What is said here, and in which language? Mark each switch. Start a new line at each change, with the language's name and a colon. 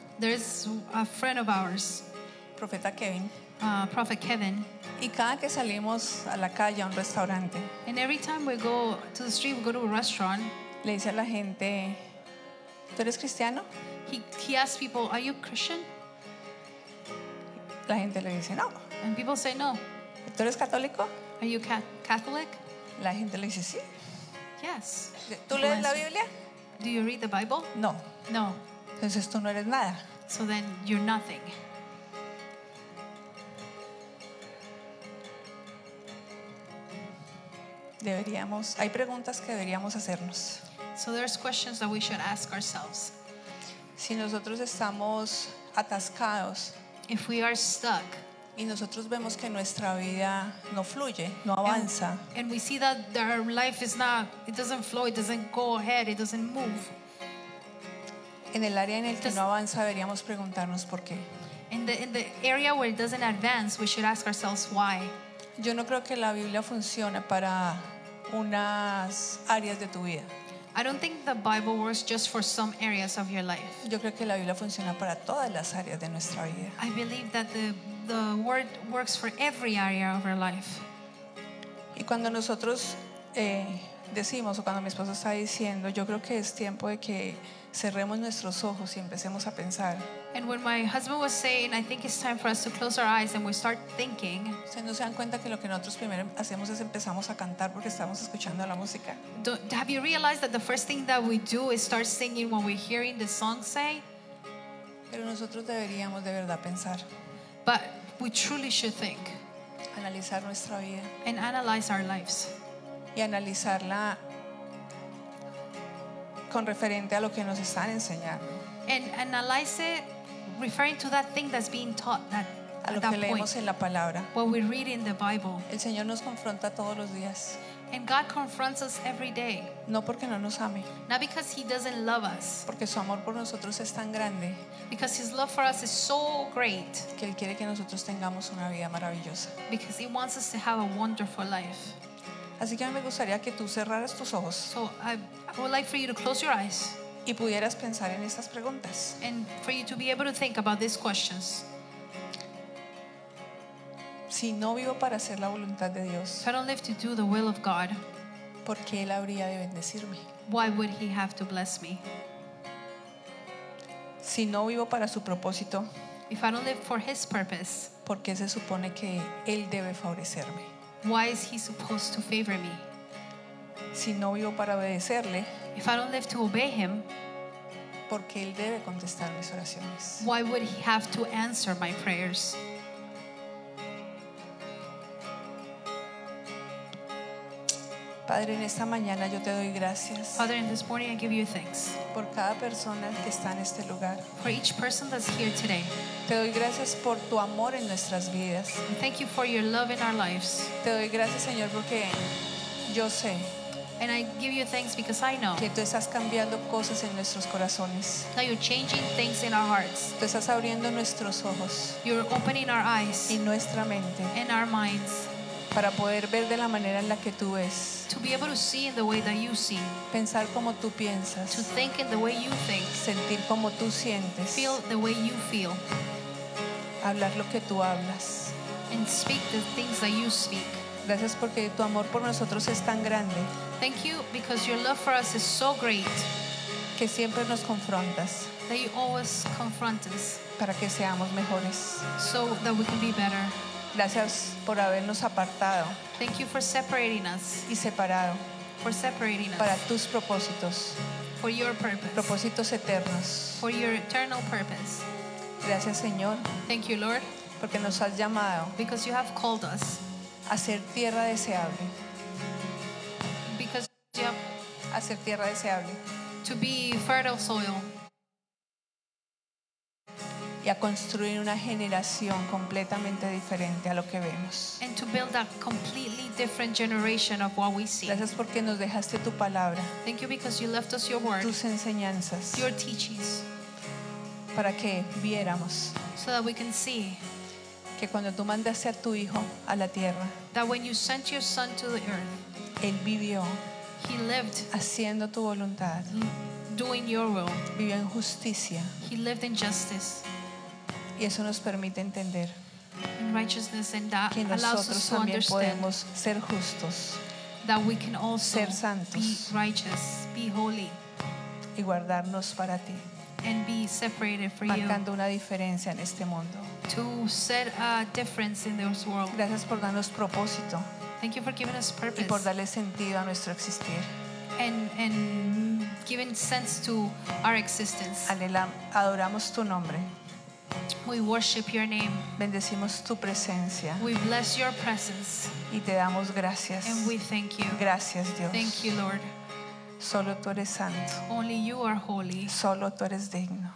English: There is a friend of ours,
Spanish: Profeta Kevin.
English: Prophet Kevin.
Spanish: Y cada que salimos a la calle a un restaurante,
English: and every time we go to the street, we go to a restaurant.
Spanish: Le dice a la gente, ¿tú eres cristiano?
English: He asks people, are you Christian?
Spanish: La gente le dice no.
English: And people say no.
Spanish: ¿Tú eres católico?
English: Are you Catholic?
Spanish: La gente le dice sí.
English: Yes.
Spanish: ¿Tú lees la Biblia?
English: Do you read the Bible?
Spanish: No.
English: No.
Spanish: Entonces tú no eres nada.
English: So then you're nothing.
Spanish: Deberíamos, hay preguntas que deberíamos hacernos.
English: So there's questions that we should ask ourselves.
Spanish: Si nosotros estamos atascados,
English: if we are stuck,
Spanish: y nosotros vemos que nuestra vida no fluye, no avanza,
English: and we see that our life is not, it doesn't flow, it doesn't go ahead, it doesn't move.
Spanish: En el área en el que no avanza, deberíamos preguntarnos por qué.
English: In the area where it doesn't advance, we should ask ourselves why.
Spanish: Yo no creo que la Biblia funcione para unas áreas de tu vida.
English: I don't think the Bible works just for some areas of your life.
Spanish: Yo creo que la Biblia funciona para todas las áreas de nuestra vida.
English: I believe that the word works for every area of our life.
Spanish: Y cuando nosotros decimos, o cuando mi esposo está diciendo, yo creo que es tiempo de que cerremos nuestros ojos y empecemos a pensar.
English: And when my husband was saying, I think it's time for us to close our eyes and we start thinking.
Spanish: ¿Se no se dan cuenta que lo que nosotros primero hacemos es empezamos a cantar porque estamos escuchando la música?
English: Have you realized that the first thing that we do is start singing when we're hearing the song say?
Spanish: Pero nosotros deberíamos de verdad pensar.
English: But we truly should think.
Spanish: Analizar nuestra vida.
English: And analyze our lives.
Spanish: Y analizarla con referente a lo que nos están enseñando.
English: And analyze it referring to that thing that's being taught, that,
Spanish: a lo
English: that
Spanish: que leemos
English: point,
Spanish: en la palabra.
English: What we read in the Bible.
Spanish: El Señor nos confronta todos los días.
English: And God confronts us every day.
Spanish: No porque no nos ame.
English: Not because he doesn't love us.
Spanish: Porque su amor por nosotros es tan grande.
English: Because his love for us is so great.
Spanish: Que él quiere que nosotros tengamos una vida maravillosa.
English: Because he wants us to have a wonderful life.
Spanish: Así que a mí me gustaría que tú cerraras tus ojos.
English: So I would like for you to close your eyes.
Spanish: Y pudieras pensar en estas preguntas.
English: And for you to be able to think about these questions.
Spanish: Si no vivo para hacer la voluntad de Dios.
English: If I don't live to do the will of God.
Spanish: ¿Por qué él habría de bendecirme?
English: Why would he have to bless me?
Spanish: Si no vivo para su propósito.
English: If I don't live for his purpose.
Spanish: ¿Por qué se supone que él debe favorecerme?
English: Why is he supposed to favor me?
Spanish: Si no vivo para obedecerle,
English: if I don't live to obey him,
Spanish: porque él debe contestar mis oraciones.
English: Why would he have to answer my prayers?
Spanish: Padre, en esta mañana yo te doy gracias.
English: Father, in this morning I give you thanks.
Spanish: Por cada persona que está en este lugar.
English: For each person that's here today.
Spanish: Te doy gracias por tu amor en nuestras vidas.
English: And thank you for your love in our lives.
Spanish: Te doy gracias, Señor, porque yo sé.
English: And I give you thanks because I know.
Spanish: Que tú estás cambiando cosas en nuestros corazones.
English: That you're changing things in our hearts.
Spanish: Tú estás abriendo nuestros ojos.
English: You're opening our eyes.
Spanish: Y nuestra mente.
English: And our minds.
Spanish: Para poder ver de la manera en la que tú ves.
English: To be able to see in the way that you see.
Spanish: Pensar como tú piensas.
English: To think in the way you think.
Spanish: Sentir como tú sientes.
English: Feel the way you feel.
Spanish: Hablar lo que tú hablas.
English: And speak the things that you speak.
Spanish: Gracias porque tu amor por nosotros es tan grande.
English: Thank you because your love for us is so great.
Spanish: Que siempre nos confrontas.
English: That you always confront us.
Spanish: Para que seamos mejores.
English: So that we can be better.
Spanish: Gracias por habernos apartado.
English: Thank you for separating us.
Spanish: Y separado.
English: For separating us.
Spanish: Para tus propósitos.
English: For your purpose.
Spanish: Propósitos eternos.
English: For your eternal purpose.
Spanish: Gracias, Señor.
English: Thank you, Lord.
Spanish: Porque nos has llamado.
English: Because you have called us.
Spanish: A ser tierra deseable.
English: Because you have.
Spanish: A ser tierra deseable.
English: To be fertile soil.
Spanish: Y a construir una generación completamente diferente a lo que vemos.
English: And to build a completely different generation of what we see.
Spanish: Gracias porque nos dejaste tu palabra.
English: Thank you because you left us your word.
Spanish: Tus enseñanzas.
English: Your teachings.
Spanish: Para que viéramos.
English: So that we can see.
Spanish: Que cuando tú mandaste a tu hijo a la tierra.
English: That when you sent your son to the earth.
Spanish: Él vivió.
English: He lived.
Spanish: Haciendo tu voluntad.
English: Doing your will.
Spanish: Vivió en justicia.
English: He lived in justice.
Spanish: Y eso nos permite entender.
English: In righteousness, and that
Spanish: que nosotros
English: allows us
Spanish: también
English: to understand
Spanish: podemos ser justos.
English: That we can also
Spanish: ser santos.
English: Be righteous. Be holy.
Spanish: Y guardarnos para ti.
English: And be separated for
Spanish: marcando
English: you.
Spanish: Marcando una diferencia en este mundo.
English: To set a difference in this world.
Spanish: Gracias por darnos propósito.
English: Thank you for giving us purpose.
Spanish: Y por darle sentido a nuestro existir.
English: And giving sense to our existence.
Spanish: Anhelamos, adoramos tu nombre.
English: We worship your name.
Spanish: Bendecimos tu presencia.
English: We bless your presence.
Spanish: Y te damos gracias.
English: And we thank you.
Spanish: Gracias, Dios.
English: Thank you, Lord.
Spanish: Solo tú eres santo.
English: Only you are holy.
Spanish: Solo tú eres digno.